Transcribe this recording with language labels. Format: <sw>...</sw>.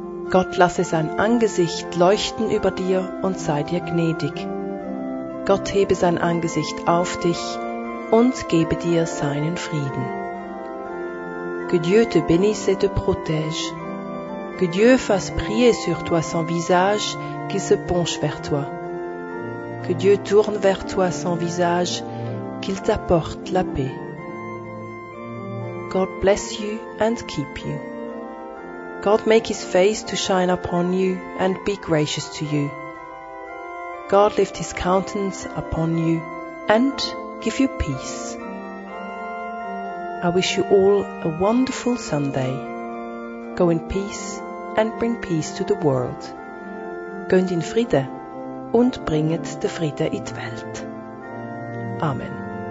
<de>Gott lasse sein Angesicht leuchten über dir und sei dir gnädig. Gott hebe sein Angesicht auf dich und gebe dir seinen Frieden.</de> <fr>Que Dieu te bénisse et te protège. Que Dieu fasse briller sur toi son visage qui se penche vers toi. Que Dieu tourne vers toi son visage, qu'il t'apporte la paix.</fr> <en>God bless you and keep you. God make his face to shine upon you and be gracious to you. God lift his countenance upon you and give you peace. I wish you all a wonderful Sunday. Go in peace and bring peace to the world.</en> <gsw>Gönnt in Friede und bringet de Friede in die Welt. Amen.</gsw>